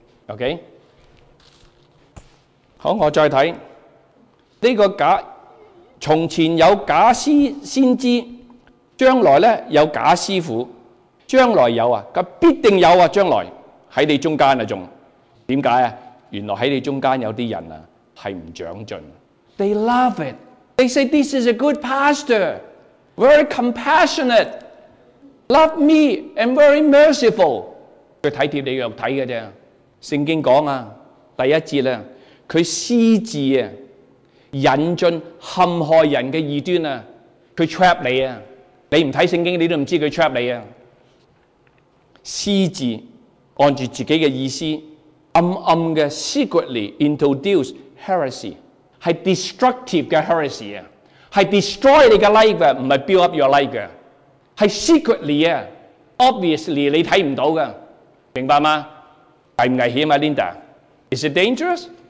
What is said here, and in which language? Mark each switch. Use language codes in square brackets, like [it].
[zh] OK， 好，我再看这个假，从前有假师先知，将来呢有假师傅，将来有啊，他必定有啊，将来在你中间啊，还为什么啊？原来在你中间有些人是不长进。 [en] They love it. They say this is a good pastor, very compassionate, love me and very merciful. [zh] 他体贴你肉体而已。圣经说第一节，他施治引进陷害人的异端，他 trap 你，你不看圣经你都不知道他 trap 你。私自按着自己的意思暗暗的 [en] secretly introduce heresy， [zh] 是 destructive 的 heresy， 是 destroy 你的 life， 不是 [en] build up your life， [zh] 是 secretly obviously 你看不到的，明白吗？危不危险啊 Linda？ [en] Is it dangerous？